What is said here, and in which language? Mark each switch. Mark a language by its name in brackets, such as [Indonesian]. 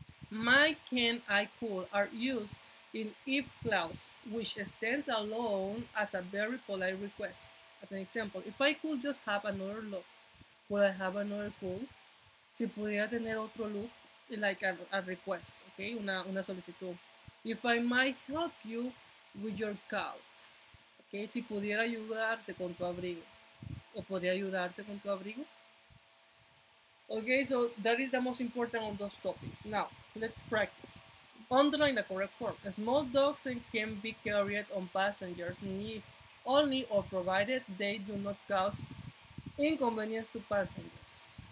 [English] My, can, I could are used in if clause, which stands alone as a very polite request. As an example, if I could just have another look, would I have another call? [Spanish] Si pudiera tener otro look, [English] like a request, okay? [Spanish] Una solicitud. [English] If I might help you with your coat, okay? [Spanish] Si pudiera ayudarte con tu abrigo, o podría ayudarte con tu abrigo. [English] Okay, so that is the most important of those topics. Now, let's practice. Underline the correct form. Small dogs can be carried on passengers' knees only or provided they do not cause inconvenience to passengers.